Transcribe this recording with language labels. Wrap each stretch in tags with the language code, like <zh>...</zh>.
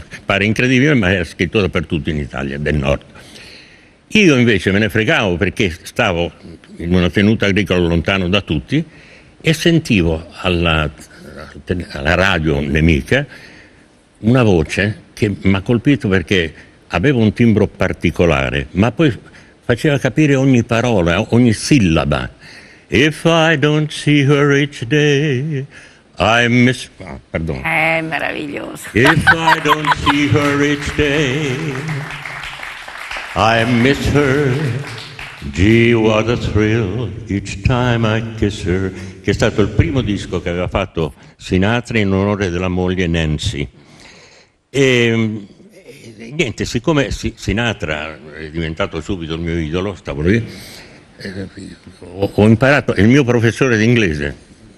<it>Pare incredibile, ma era scritto dappertutto in Italia del Nord. Io invece me ne fregavo, perché stavo in una tenuta agricola lontano da tutti, e sentivo alla radio nemica una voce che mi ha colpito, perché aveva un timbro particolare, ma poi faceva capire ogni parola, ogni sillaba.</it> <en>If I don't see her each day, I miss...</en> <it>Ah, perdono. È meraviglioso.</it> <en>If I don't see her each day, I miss her. Gee, what a thrill each time I kiss her.</en> <it>Che è stato il primo disco che aveva fatto Sinatra in onore della moglie Nancy. E niente, siccome Sinatra è diventato subito il mio idolo, stavo lì, ho imparato, il mio professore d'inglese.</it>